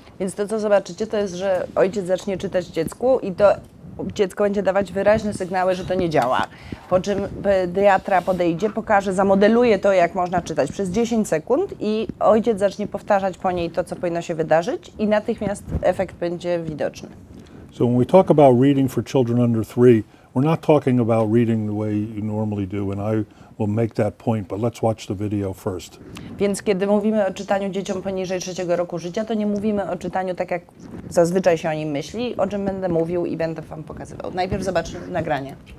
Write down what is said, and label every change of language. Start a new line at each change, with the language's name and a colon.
Polish: Więc to, co zobaczycie, to jest, że ojciec zacznie czytać dziecku i to dziecko będzie dawać wyraźne sygnały, że to nie działa. Po czym pediatra podejdzie, pokaże, zamodeluje to, jak można czytać przez 10 sekund i ojciec zacznie powtarzać po niej to, co powinno się wydarzyć i natychmiast efekt będzie widoczny.
English: So when we talk about reading for children under 3, we're not talking about reading the way you normally do, and I will make that point, but let's watch the video first.
Polish: Więc kiedy mówimy o czytaniu dzieciom poniżej 3 roku życia, to nie mówimy o czytaniu tak, jak zazwyczaj się o nim myśli, o czym będę mówił i będę wam pokazywał. Najpierw zobacz nagranie.